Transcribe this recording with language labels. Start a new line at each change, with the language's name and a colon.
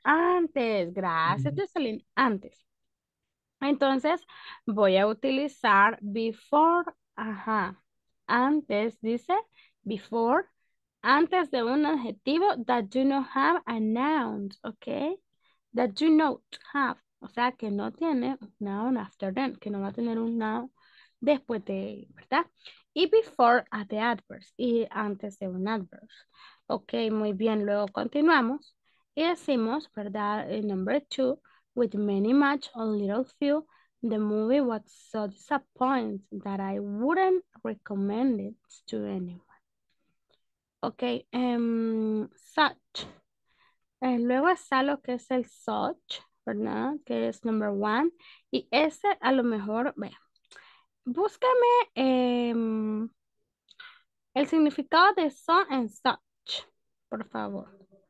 Spanish: Antes, gracias, Jocelyn, antes. Entonces voy a utilizar before, ajá, antes, dice, before, antes de un adjetivo
English: that do not have a noun,
Spanish: ok,
English: that do not have,
Spanish: o sea, que no tiene un
English: noun after them,
Spanish: que no va a tener un noun después de, ¿verdad? Y
English: before at the adverbs,
Spanish: y antes de un adverb. Ok, muy bien, luego continuamos y decimos, ¿verdad?
English: El number two. With many much or little few, the movie was so disappointing that I wouldn't recommend it to anyone. Okay, such.
Spanish: Luego está lo que es el such, ¿verdad? Que es number one. Y ese a lo mejor, ve. Búscame el significado de so and such, por favor.